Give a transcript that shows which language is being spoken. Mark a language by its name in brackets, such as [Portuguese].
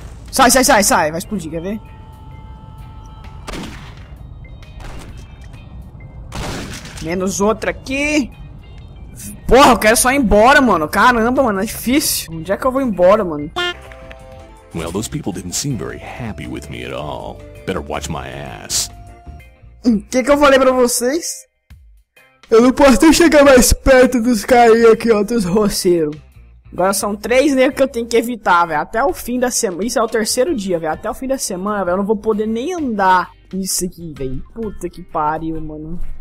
[Portuguese] Sai, vai explodir, quer ver? Menos outra aqui. Porra, eu quero só ir embora, mano. Caramba, mano, é difícil. Onde é que eu vou embora, mano? [English] Well, those people didn't seem very happy with me at all. Better watch my ass. [Portuguese] Que eu falei pra vocês? Eu não posso nem chegar mais perto dos caras aqui, ó, dos roceiros. Agora são três negros que eu tenho que evitar, velho. Até o fim da semana. Isso é o terceiro dia, velho. Até o fim da semana, velho. Eu não vou poder nem andar. Isso aqui, velho. Puta que pariu, mano.